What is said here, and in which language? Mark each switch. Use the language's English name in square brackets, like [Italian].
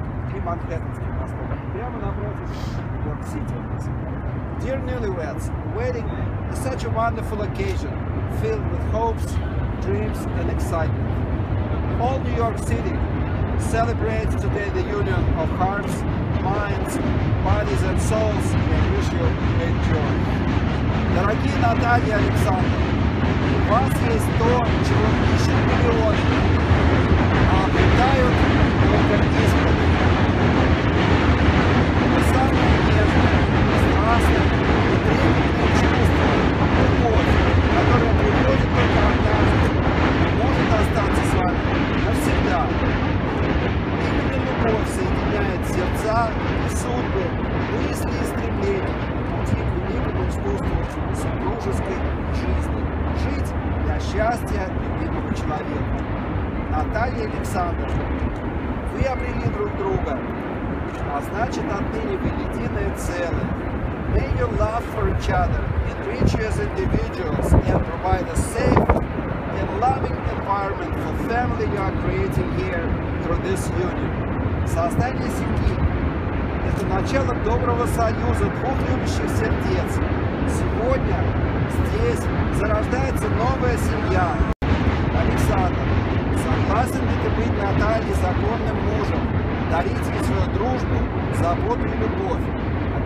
[Russian] Три Манхэттенские мосты. Прямо напротив Нью-Йорк-Сити. [English] Dear newlyweds, wedding is such a wonderful occasion, filled with hopes, dreams and excitement. All New York City celebrates today the union of hearts, minds, bodies and souls, and wish you great joy. [Russian] Дорогие Наталья и Александр, у вас есть то, чего ищут миллионы, а обретают только избранные. Вы самые нежные, страстные и древние чувства, любовь, которая приходит только однажды, может остаться с вами навсегда. Именно любовь соединяет сердца и судьбы, мысли и стремления к пути к великому искусству супружеской жизни. Жить для счастья любимого человека. Наталья Александр, вы обрели друг друга, а значит отныне вы единое целое. [English] May your love for each other enrich you as individuals and provide a safe and loving environment for family you are creating here through this union. [Russian] Создание семьи – это начало доброго союза двух любящих сердец. Сегодня здесь зарождается новая семья. Александр, согласен ли ты быть Натальей законным мужем, дарить ей свою дружбу, заботу и любовь?